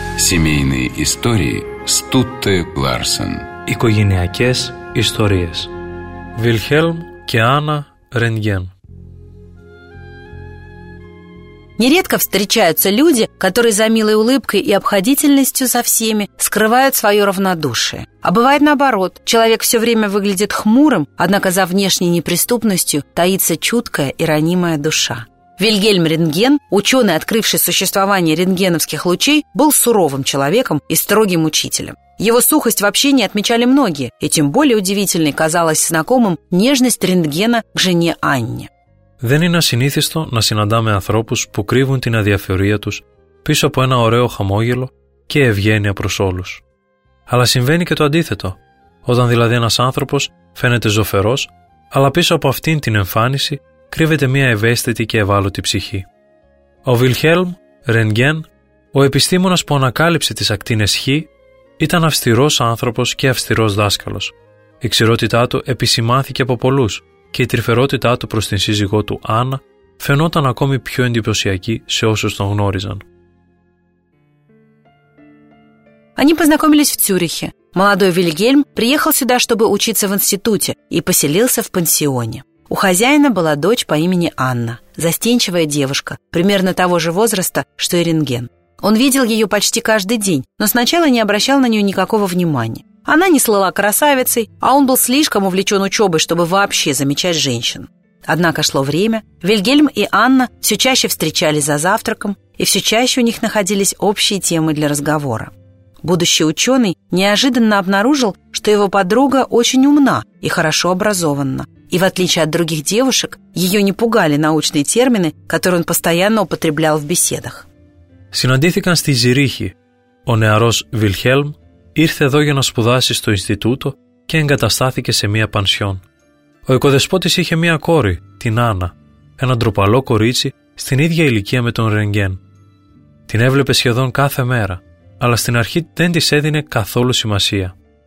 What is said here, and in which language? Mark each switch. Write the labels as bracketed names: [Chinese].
[Russian] Семейные истории Стутте Ларсен. [Greek] Οικογενειακές ιστορίες. Βιλχέλμ και Άννα Ρέντγκεν. [Russian] Нередко встречаются люди, которые за милой улыбкой и обходительностью со всеми скрывают свое равнодушие. А бывает наоборот. Человек все время выглядит хмурым, однако за внешней неприступностью таится чуткая и ранимая душа. Вильгельм Рентген, ученый, открывший существование рентгеновских лучей, был суровым человеком и строгим учителем. Его сухость в общении отмечали многие, и тем более удивительной казалась знакомым нежность Рентгена к жене Анне. [Greek] Δεν είναι ασυνήθιστο να συναντάμε ανθρώπους που κρύβουν την αδιαφορία τους πίσω από ένα ωραίο χαμόγελο και ευγένεια προς όλους. Αλλά συμβαίνει και το αντίθετο, όταν δηλαδή ένας άνθρωπος φαίνεται ζωφερός, αλλά πίσω από αυτήν την εμφάνιση κρύβεται μια ευαίσθητη και ευάλωτη ψυχή. Ο Βιλχέλμ Ρέντγκεν, ο επιστήμονας που ανακάλυψε τις ακτίνες Χ, ήταν αυστηρός άνθρωπος και αυστηρός δάσκαλος. Η ξηρότητά του επισημάνθηκε από πολλούς. Και η τρυφερότητά του προς την σύζυγό του Άννα φαινόταν ακόμη πιο εντυπωσιακή σε όσους τον γνώριζαν. [Russian] Они познакомились в Цюрихе. Молодой Вильгельм приехал сюда, чтобы учиться в институте, и поселился в пансионе. У хозяина была дочь по имени Анна, застенчивая девушка, примерно того же возраста, что и Рентген. Он видел ее почти каждый день, но сначала не обращал на нее никакого внимания. Она не слыла красавицей, а он был слишком увлечен учебой, чтобы вообще замечать женщин. Однако шло время, Вильгельм и Анна все чаще встречались за завтраком, и все чаще у них находились общие темы для разговора. Будущий ученый неожиданно обнаружил, что его подруга очень умна и хорошо образована. И в отличие от других девушек, ее не пугали научные термины, которые он постоянно употреблял в беседах. [Greek] Συναντήθηκαν στη Ζυρίχη. Ο νεαρός Βιλχέλμ ήρθε εδώ για να σπουδάσει στο Ινστιτούτο και εγκαταστάθηκε σε μία πανσιόν. Ο οικοδεσπότης είχε μία κόρη, την Άννα, ένα ντροπαλό κορίτσι στην ίδια ηλικία με τον Ρέντγκεν. Την έβλεπε σχεδόν κάθε μέρα, αλλά στην αρχή δεν της έδινε καθόλου σημασία.